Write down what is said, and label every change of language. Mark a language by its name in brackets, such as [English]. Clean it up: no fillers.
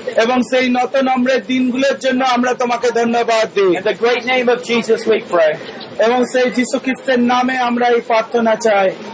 [Bangla] এবং সেই নত নম্রের দিনগুলোর জন্য আমরা তোমাকে ধন্যবাদ দিই। [English] In the great name of Jesus we pray. [Bangla] এবং সেই যীশু খ্রিস্টের নামে আমরা এই প্রার্থনা চাই।